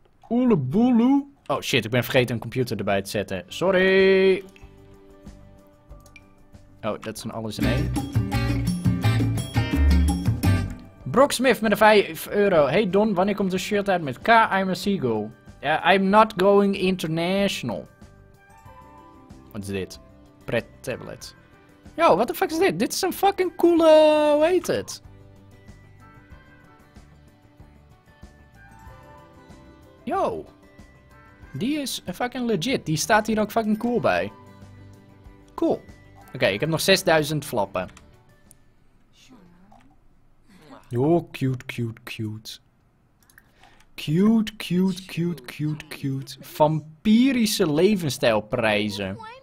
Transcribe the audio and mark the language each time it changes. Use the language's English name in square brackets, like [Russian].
[Dutch] Oeleboeloe. Oh shit, ik ben vergeten een computer erbij te zetten. Sorry. Oh, dat is een alles in één. Rocksmith met een 5 euro. Hey Don, wanneer komt de shirt uit met K? [English] I'm a seagull. I'm not going international. [Dutch] Wat is dit? Pret tablet. [English] Yo, what the fuck is [Dutch] dit? Dit is een fucking coole... Hoe heet het? Yo. Die is fucking legit. Die staat hier ook fucking cool bij. Cool. Oké, ik heb nog 6000 flappen. [English] Oh, cute, cute, cute. Cute, cute, cute, cute, cute. [Dutch] Vampirische levensstijlprijzen.